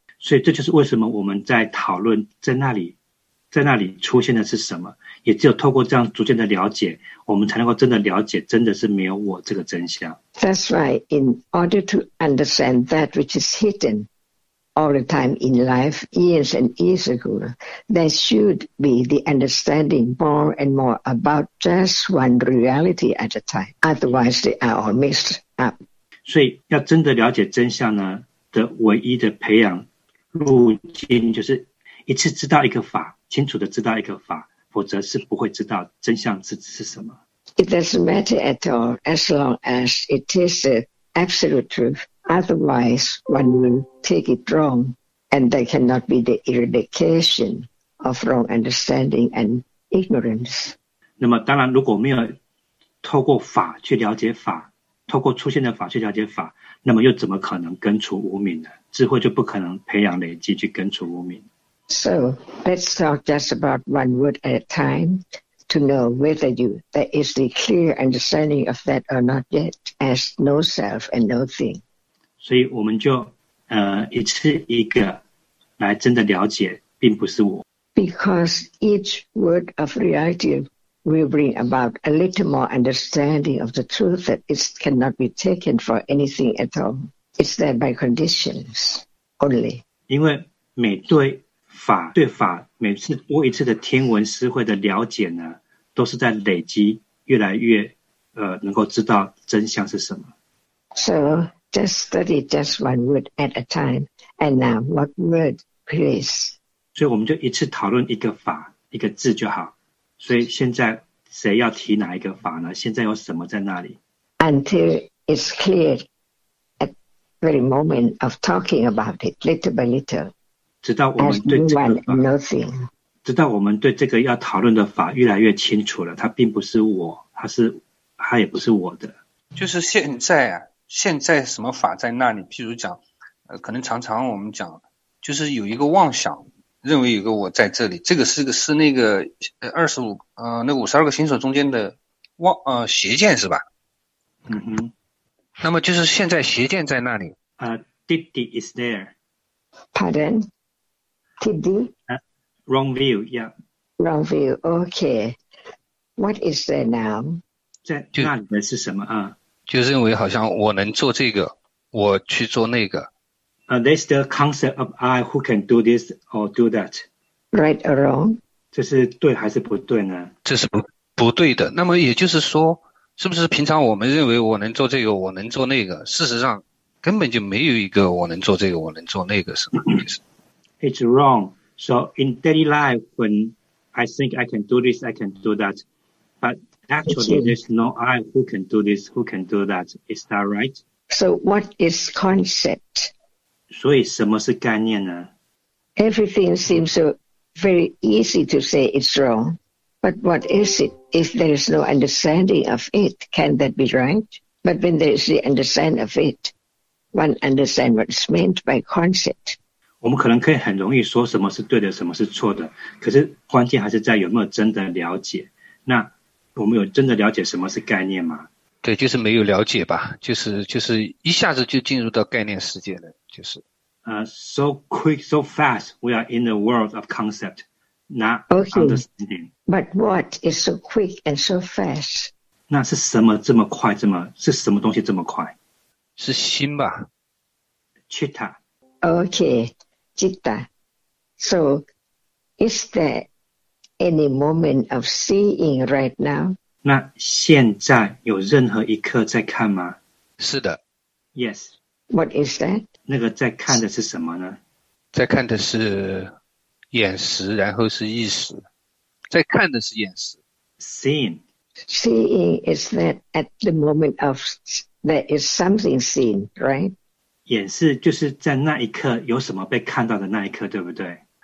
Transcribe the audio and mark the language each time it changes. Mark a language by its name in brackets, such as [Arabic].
[Chinese] 所以这就是为什么我们在讨论在那里出现的是什么，也只有透过这样逐渐的了解，我们才能够真的了解真的是没有我这个真相。 [English] That's why in order to understand that which is hidden,all the time in life, years and years ago, there should be the understanding more and more about just one reality at a time. Otherwise, they are all mixed up. [Chinese] 所以要真的了解真相呢的唯一的培养路径就是一次知道一个法，清楚的知道一个法，否则是不会知道真相是什么。 [English] It doesn't matter at all as long as it is the absolute truth. Otherwise, one will take it wrong, and there cannot be the eradication of wrong understanding and ignorance. [Chinese] 那么当然，如果没有透过法去了解法，透过出现的法去了解法，那么又怎么可能根除无明呢？智慧就不可能培养累积去根除无明。 [English] So let's talk just about one word at a time to know whether there is the clear understanding of that or not yet as no self and no thing. [Chinese] 所以我们就一次一个来真的了解并不是我。 [English] Because each word of reality will bring about a little more understanding of the truth that it cannot be taken for anything at all. It's there by conditions only. [Chinese] 因为每对法对法每次多一次的听闻思会的了解呢都是在累积越来越能够知道真相是什么。 [English] So,Just study just one word at a time. And now, what word, please? [Chinese] 所以我们就一次讨论一个法，一个字就好。所以现在谁要提哪一个法呢？现在有什么在那里？ [English] Until it's clear at the very moment of talking about it, little by little. [Chinese] 直到我们对这个法， [English] as new one, nothing. [Chinese] 直到我们对这个要讨论的法越来越清楚了，它并不是我，它也不是我的。就是现在啊。现在什么法在那里？譬如讲，可能常常我们讲，就是有一个妄想，认为有个我在这里。这个是那个52个行所中间的邪见是吧？嗯哼。那么就是现在邪见在那里。 [English] Ditti is there. Pardon? Ditti? Wrong view, yeah. Wrong view, okay. What is there now? [Chinese] 在那里的是什么啊？就认为好像我能做这个，我去做那个。 [English] There's the concept of I who can do this or do that. Right or wrong? [Chinese] 这是对还是不对呢？这是不对的。那么也就是说，是不是平常我们认为我能做这个，我能做那个，事实上根本就没有一个我能做这个，我能做那个，是吗？意思？ [English] It's wrong. So in daily life, when I think I can do this, I can do that, but... Actually, there's no I who can do this, who can do that. Is that right? So what is concept? [Chinese] 所以什么是概念呢? [English] Everything seems so very easy to say it's wrong. But what is it? If there is no understanding of it, can that be right? But when there is the understanding of it, one understands what's meant by concept. [Chinese] 我们可能可以很容易说什么是对的，什么是错的。可是关键还是在有没有真的了解。那我们有真的了解什么是概念吗？对，就是没有了解吧，就是一下子就进入到概念世界了，就是。 [English] So quick, so fast, we are in the world of concept, not understanding. Okay. But what is so quick and so fast? [Chinese] 那是什么这么快？是什么东西这么快？是心吧 [Pali] ？Chitta. [English] Okay, chitta. So, is that? Any moment of seeing right now? [Chinese] 那现在有任何一刻在看吗？是的。 [English] Yes. What is that? [Chinese] 那个在看的是什么呢？在看的是眼识，然后是意识。在看的是眼识。 [English] Seeing. Seeing is that at the moment of there is something seen, right? [Chinese] 眼识就是在那一刻有什么被看到的那一刻，对不对？